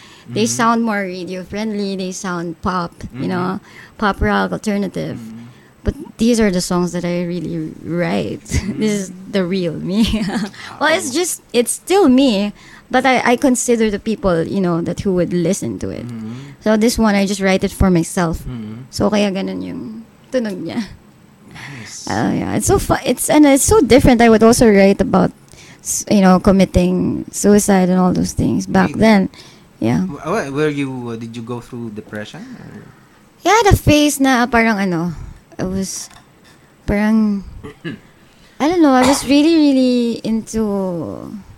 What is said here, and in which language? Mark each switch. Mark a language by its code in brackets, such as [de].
[en] They sound more radio friendly. They sound pop. You know, pop rock alternative. But these are the songs that I really write. This is the real me. Well, it's just, it's still me. But I consider the people, you know, that who would listen to it. So this one, I just write it for myself. [tl] So kaya ganun yung tunog niya. [en] Nice. Yeah, it's so fun. It's, and it's so different. I would also write about, you know, committing suicide and all those things back then. Yeah. Were you, did you go through depression? Or? Yeah, the phase na parang ano, it was parang, I don't know, I was really, really into...